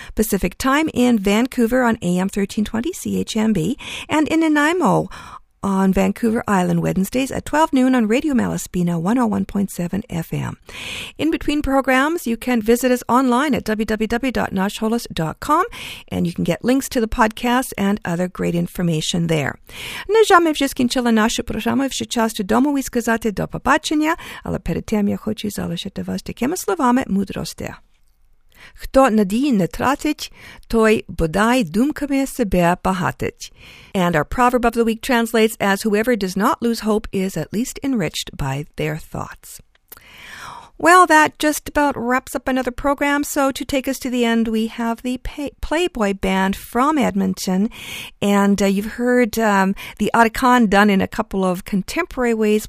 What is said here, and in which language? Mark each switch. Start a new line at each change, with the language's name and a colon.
English: Pacific Time in Vancouver on AM 1320 CHMB and in Nanaimo on Vancouver Island Wednesdays at 12 noon on Radio Malaspina 101.7 FM. In between programs, you can visit us online at www.nashholos.com, and you can get links to the podcast and other great information there.
Ukrainian: Нажами вже скінчила нашу програму, вже час додому і сказати до побачення, але перед тим я хочу залишити вас такими словами мудрості. Хто надії не тратить, той бодай думками себе багатить.
English: And our proverb of the week translates as, whoever does not lose hope is at least enriched by their thoughts. Well, that just about wraps up another program. So to take us to the end, we have the Playboy Band from Edmonton. And you've heard the Otacon done in a couple of contemporary ways.